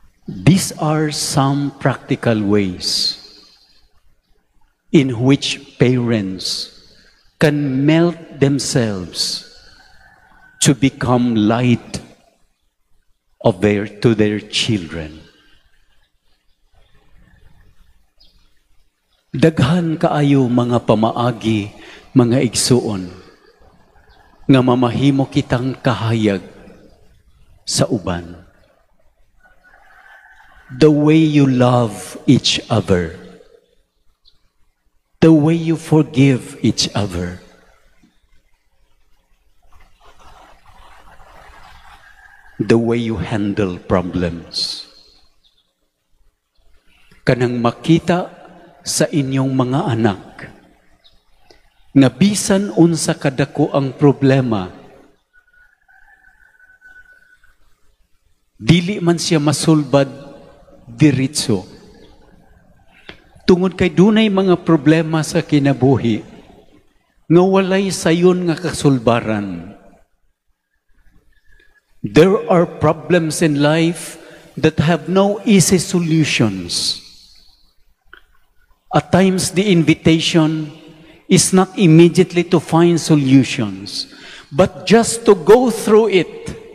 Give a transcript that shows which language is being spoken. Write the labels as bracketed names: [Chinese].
[English] These are some practical ways in which parents can melt themselves to become light of their to their children. [Cebuano] Daghan kaayo mga pamaagi, mga igsuon, nga mamahimo kitang kahayag sa uban. [English] The way you love each other, the way you forgive each other, the way you handle problems, [Cebuano] kanang makita sa inyong mga anak nga bisan unsa kadako ang problema, dili man siya masulbad diritso. Tungod kay dunay mga problema sa kinabuhi nga walay sayon nga kasulbaran. [English] There are problems in life that have no easy solutions. At times, the invitation is not immediately to find solutions, but just to go through it.